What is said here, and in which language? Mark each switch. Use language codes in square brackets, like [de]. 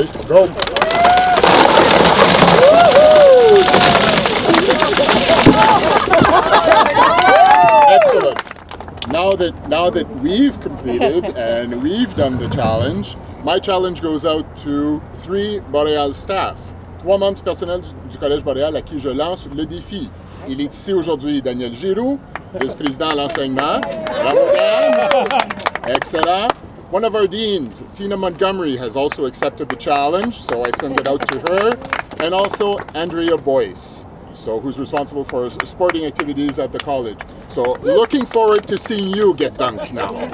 [en] go. Excellent. Now that we've completed and we've done the challenge, my challenge goes out to 3 Boréal staff. [fr] 3 membres du personnel du Collège Boréal à qui je lance le défi. Il est ici aujourd'hui Daniel Giroux, vice-président à l'enseignement. Bravo, Dan. Excellent. [en] One of our deans, Tina Montgomery, has also accepted the challenge, so I send it out to her. And also Andrea Boyce, so who's responsible for sporting activities at the college. So looking forward to seeing you get dunked now.